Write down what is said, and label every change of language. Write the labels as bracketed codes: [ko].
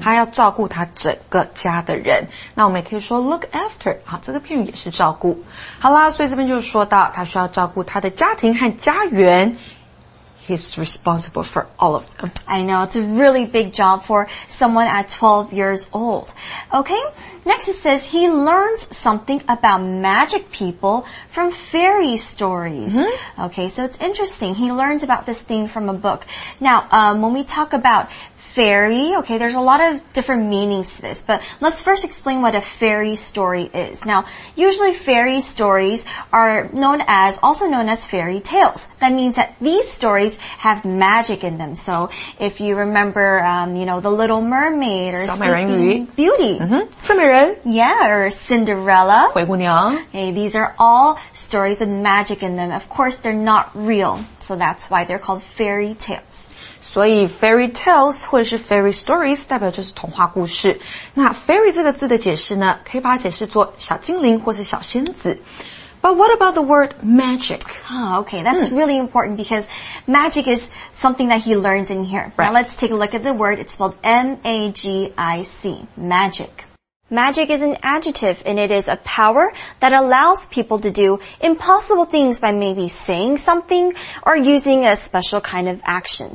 [zh] 他要照顾他整个家的人。那我们也可以说 [en] look after, [zh] 好，这个片语也是照顾。好啦，所以这边就说到他需要照顾他的家庭和家园。 [en] He's responsible for all of them. I know, it's a really big job for someone at 12 years old. Okay, next it says he learns something about magic people from fairy stories. Mm-hmm. Okay, so it's interesting. He learns about this thing from a book. Now, when we talk about fairy, okay, there's a lot of different meanings to this, but let's first explain what a fairy story is. Now, usually fairy stories are also known as fairy tales. That means that these stories have magic in them. So if you remember, The Little Mermaid or Sleeping Beauty. [zh] Mm-hmm. 小美人. [en] Yeah, or Cinderella. [zh] 灰姑娘. [en] Okay, these are all stories with magic in them. Of course, they're not real, so that's why they're called fairy tales. [zh] 所以 fairy tales 或者是 fairy stories 代表就是童话故事。那 fairy 这个字的解释呢，可以把它解释作小精灵或是小仙子。 [en] But what about the word magic? Oh, okay, that's really important because magic is something that he learns in here. Right. Now let's take a look at the word. It's spelled M-A-G-I-C, magic. Magic is an adjective and it is a power that allows people to do impossible things by maybe saying something or using a special kind of action.